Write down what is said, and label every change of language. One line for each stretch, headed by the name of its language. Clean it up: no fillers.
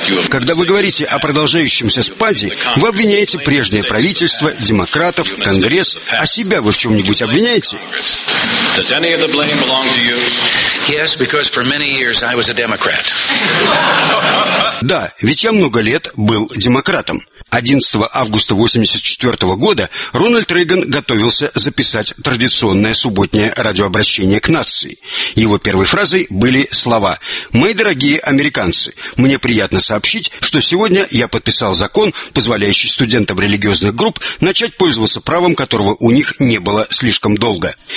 Russian: Когда вы говорите о продолжающемся спаде, вы обвиняете прежнее правительство, демократов, Конгресс, а себя вы в чем-нибудь обвиняете?
English: Does any of the blame belong to you? Yes, because for many years I was a Democrat.
Russian: Да, ведь я много лет был демократом. 11 августа 1984 года Рональд Рейган готовился записать традиционное субботнее радиообращение к нации. Его первой фразой были слова: «Мои дорогие американцы, мне приятно сообщить, что сегодня я подписал закон, позволяющий студентам религиозных групп начать пользоваться правом, которого у них не было слишком долго».